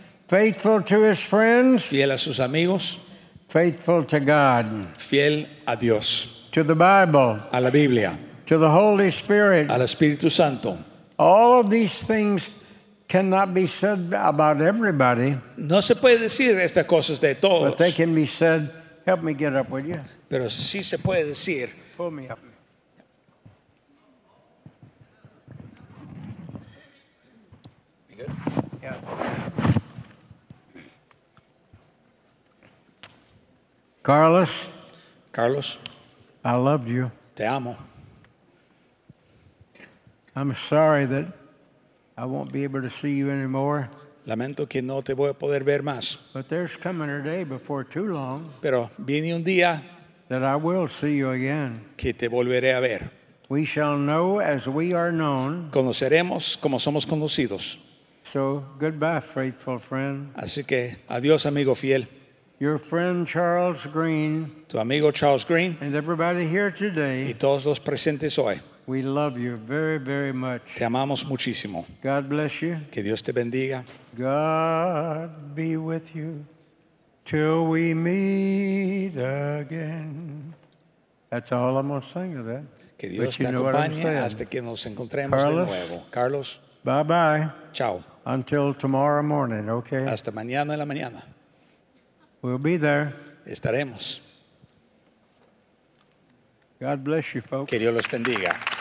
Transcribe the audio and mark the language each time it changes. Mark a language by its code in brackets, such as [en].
[en] Faithful to his friends. [es] Fiel a sus amigos. [en] Faithful to God. [es] Fiel a Dios. [en] To the Bible. [es] A la Biblia. [en] To the Holy Spirit. [es] Al Espíritu Santo. [en] All of these things cannot be said about everybody. [es] No se puede decir estas cosas de todos. [en] But they can be said. Help me get up, will you? [es] Pero sí se puede decir. [en] Pull me up. Carlos, I loved you. [es] Te amo. [en] I'm sorry that I won't be able to see you anymore. [es] Lamento que no te voy a poder ver más. [en] But there's coming a day before too long. [es] Pero viene un día [en] that I will see you again. [es] Que te volveré a ver. [en] We shall know as we are known. [es] Conoceremos como somos conocidos. [en] So goodbye, faithful friend. [es] Así que adiós, amigo fiel. [en] Your friend Charles Green. [es] Tu amigo Charles Green. [en] And everybody here today. [es] Y todos los presentes hoy. [en] We love you very, very much. [es] Te amamos muchísimo. [en] God bless you. [es] Que Dios te bendiga. [en] God be with you till we meet again. That's all I'm going to sing of that. [es] Que Dios te acompañe hasta que nos encontremos Carlos, de nuevo. Carlos. [en] Bye-bye. [es] Ciao. [en] Until tomorrow morning, okay? [es] Hasta mañana en la mañana. [en] We'll be there. [es] Estaremos. [en] God bless you, folks. [es] Que Dios los bendiga.